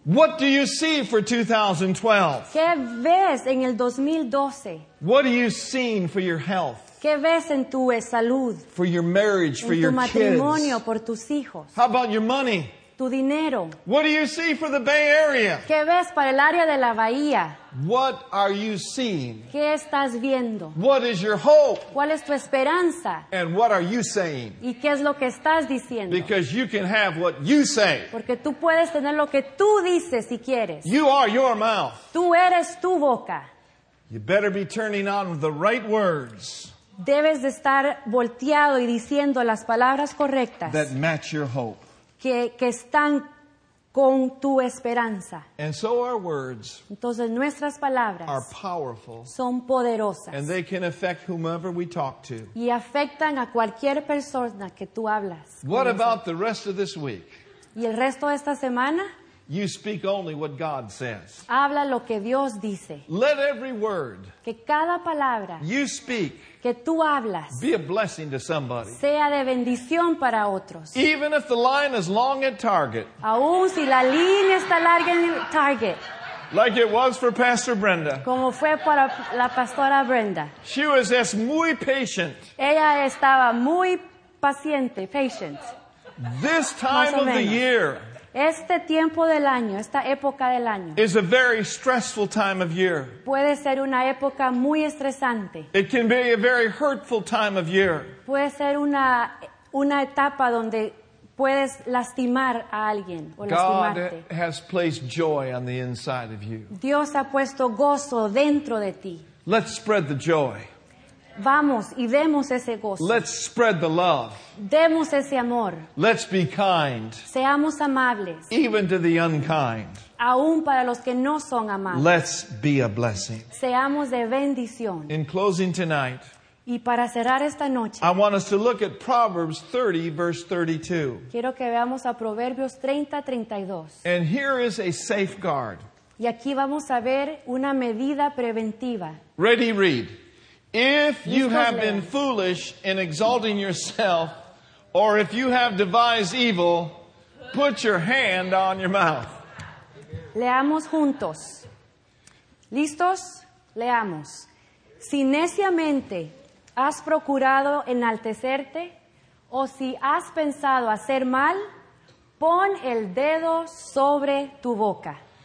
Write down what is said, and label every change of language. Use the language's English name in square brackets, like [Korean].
[English] What do you see for 2012? [Spanish] ¿Qué ves en el 2012? [English] What are you seeing for your health? [Spanish] ¿Qué ves en tu salud? [English] For your marriage, [Spanish] en [English] for your kids. [Spanish] En tu matrimonio, por tus hijos. [English] How about your money? [Spanish] Tu dinero. [English] What do you see for the Bay Area? [Spanish] ¿Qué ves para el área de la bahía? [English] What are you seeing? [Spanish] ¿Qué estás viendo? [English] What is your hope? [Spanish] ¿Cuál es tu esperanza? [English] And what are you saying? [Spanish] ¿Y qué es lo que estás diciendo? [English] Because you can have what you say. [Spanish] Porque tú puedes tener lo que tú dices si quieres. [English] You are your mouth. [Spanish] Tú eres tu boca. [English] You better be turning on the right words. [Spanish] Debes de estar volteado y diciendo las palabras correctas. [English] That match your hope. [Spanish] Que están con tu esperanza. [English] And so our words. [Spanish] Entonces nuestras palabras. [English] Are powerful. [Spanish] Son poderosas. [English] And they can affect whomever we talk to. [Spanish] Y afectan a cualquier persona que tú hablas. [English] What about the rest of this week? [Spanish] Y el resto de esta semana. [English] You speak only what God says. [Spanish] Habla lo que Dios dice. [English] Let every word. [Spanish] Que cada palabra. [English] You speak. [Spanish] Que tú hablas. [English] Be a blessing to somebody. [Spanish] Sea de bendición para otros. [English] Even if the line is long at Target. [Spanish] Aún si la línea está larga en Target. [English] Like it was for Pastor Brenda. [Spanish] Como fue para la pastora Brenda. [English] She was just [Spanish] muy [English] patient. [Spanish] Ella estaba muy paciente, [English] patient. This time of the year. [Spanish] Este tiempo del año, esta época del año, [English] is a very stressful time of year. [Spanish] Puede ser una época muy estresante. [English] It can be a very hurtful time of year. [Spanish] Puede ser una etapa donde puedes lastimar a alguien o [English] God [Spanish] lastimarte. [English] Has placed joy on the inside of you. [Spanish] Dios ha puesto gozo dentro de ti. [English] Let's spread the joy. [Spanish] Vamos y demos ese gozo. [English] Let's spread the love. [Spanish] Demos ese amor. [English] Let's be kind. [Spanish] Seamos amables. [English] Even to the unkind. [Spanish] Aún para los que no son amables. [English] Let's be a blessing. [Spanish] Seamos de bendición. [English] In closing tonight. [Spanish] Y para cerrar esta noche. [English] I want us to look at Proverbs 30 verse 32. [Spanish] Quiero que veamos a Proverbios 30:32. [English] And here is a safeguard. [Spanish] Y aquí vamos a ver una medida preventiva. [English] Ready, read. If you have been foolish in exalting yourself, or if you have devised evil, put your hand on your mouth. [Spanish] Leamos juntos. ¿Listos? Leamos. Si neciamente has procurado enaltecerte, o si has pensado hacer mal, pon el dedo sobre tu boca.